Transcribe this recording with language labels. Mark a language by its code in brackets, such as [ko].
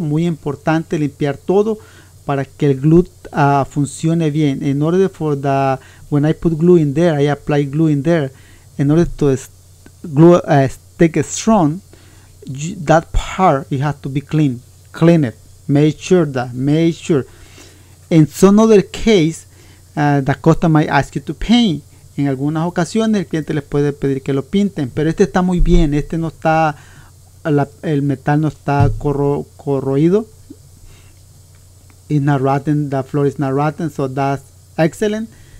[es] Muy importante limpiar todo para que el glue funcione bien. [en] In order for the, when I put glue in there, I apply glue in there. In order to stick it strong, that part, it has to be clean. Clean it. Make sure that. Make sure. In some other case, the customer might ask you to paint. [es] En algunas ocasiones el cliente les puede pedir que lo pinten, pero este está muy bien, este no está, la, el metal no está corroído. [en] It's not rotten, the floor is not rotten, so that's excellent.